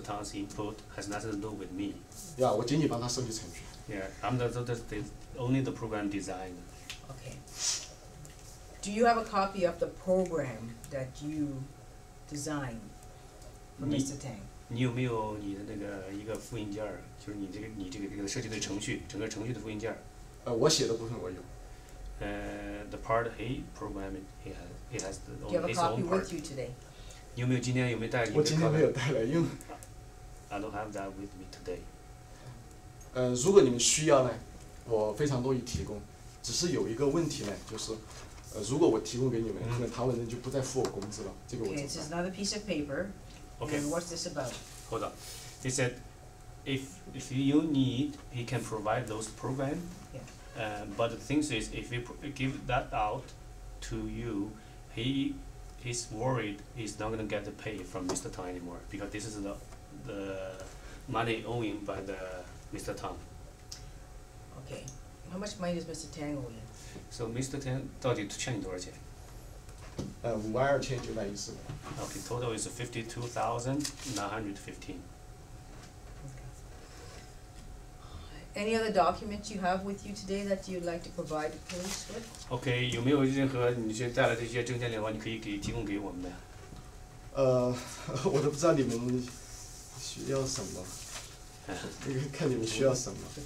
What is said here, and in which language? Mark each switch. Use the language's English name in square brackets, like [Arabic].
[English] Tang's input has nothing to do with me. Yeah, [Chinese] 我仅仅帮他设计程序。 [English] Yeah, I'm the only the program designer. Do you have a copy of the program that you designed for Mr. Tang? [Chinese] 你有没有你的那个一个复印件，就是你这个设计的程序，整个程序的复印件？我写的部分我有。 [English] The part he programmed, he has the own part. Do you have a copy with you today? [Chinese] 你有没有今天有没有带你的？我今天没有带来，因为 [English] I don't have that with me today. [Chinese] 如果你们需要呢，我非常乐意提供。只是有一个问题呢，就是。如果我提供给你们，可能他们就不再付我工资了。这个我怎么办？ [English] Okay, this is another piece of paper. Okay. And what's this about? Hold on. He said, if you need, he can provide those program. Yeah. But the thing is, if he give that out to you, he is worried he's not going to get the pay from Mr. Tang anymore because this is the money owing by the Mr. Tang. Okay. How much money does Mr. Tang owe you? So [Chinese] Mr. Tang 到底欠你多少钱？ 52,915. [English] Okay, total is 52,915. Any other documents you have with you today that you'd like to provide the police with? Okay, [Chinese] 有没有任何你先带来这些证件的话，你可以给提供给我们的？我都不知道你们需要什么，看你们需要什么。